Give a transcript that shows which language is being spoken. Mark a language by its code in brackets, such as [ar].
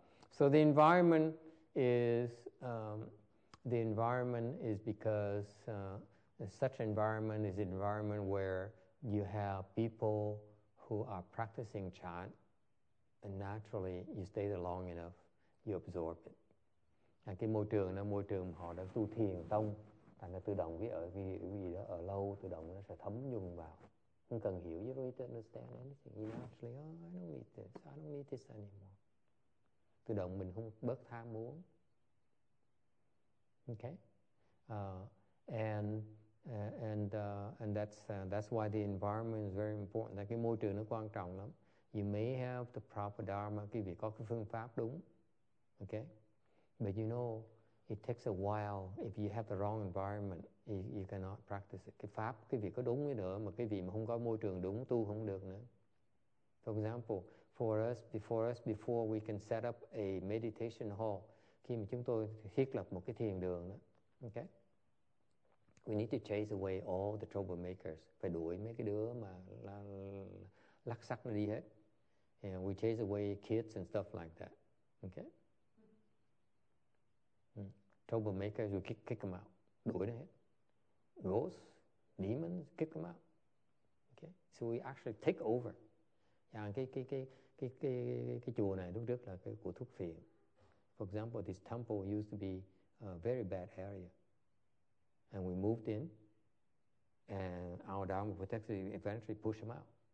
[en] So the environment is because such environment is an environment where you have people who are practicing chant, and naturally you stay there long enough, you absorb it. [vi] And cái môi trường đó, môi trường họ đã tu thiền tông, thành ra tự động với ở vì vì đó ở lâu tự động nó sẽ thấm nhuần vào. Không cần hiểu, [en] you don't need to understand anything. You actually, oh, I don't need this. I don't need this anymore. [vi] Tự động mình không bớt tham muốn. [en] Okay. That's why the environment is very important. [vi] Cái môi trường nó quan trọng lắm. [en] You may have the proper dharma. [vi] Quý vị có cái phương pháp đúng. [en] Okay. But you know, it takes a while. If you have the wrong environment, you cannot practice it. [vi] Cái pháp, cái vị có đúng nữa, mà cái vị mà không có môi trường đúng, tu không được nữa. [en] For example, before we can set up a meditation hall, [vi] khi mà chúng tôi thiết lập một cái thiền đường đó, [en] okay? We need to chase away all the troublemakers. [vi] Phải đuổi mấy cái đứa mà lắc sắc nó đi hết. [en] And we chase away kids and stuff like that. Okay? Troublemakers, we kick them out. [vi] Đuổi nó hết. [en] Ghosts, demons, kick them out. Okay, so we actually take over. [vi] Yeah, cái chùa này lúc trước là cái của thuốc phiện. [en] For example, this temple used to be a very bad area, and we moved in, and our dharma protector eventually pushed them out.